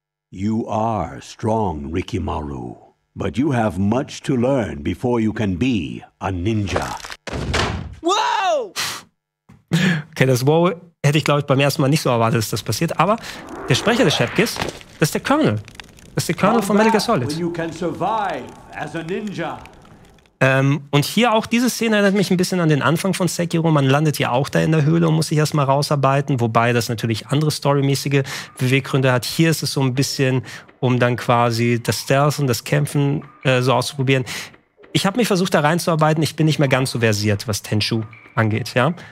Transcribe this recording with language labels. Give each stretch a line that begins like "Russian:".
English: You are strong, Rikimaru, but you have much to learn before you can be a ninja. Wow!
German: Okay, das Wow hätte ich, glaube ich, beim ersten Mal nicht so erwartet, dass das passiert. Aber der Sprecher des Shepkis, das ist der Colonel. Das ist der Colonel von Metal Gear Solid.
English: When you can survive as a ninja.
German: Und hier auch diese Szene erinnert mich ein bisschen an den Anfang von Sekiro. Man landet ja auch da in der Höhle und muss sich erstmal rausarbeiten, wobei das natürlich andere storymäßige Beweggründe hat. Hier ist es so ein bisschen, um dann quasi das Stealth und das Kämpfen so auszuprobieren. Ich habe mich versucht, da reinzuarbeiten. Ich bin nicht mehr ganz so versiert, was Tenchu angeht. Ja?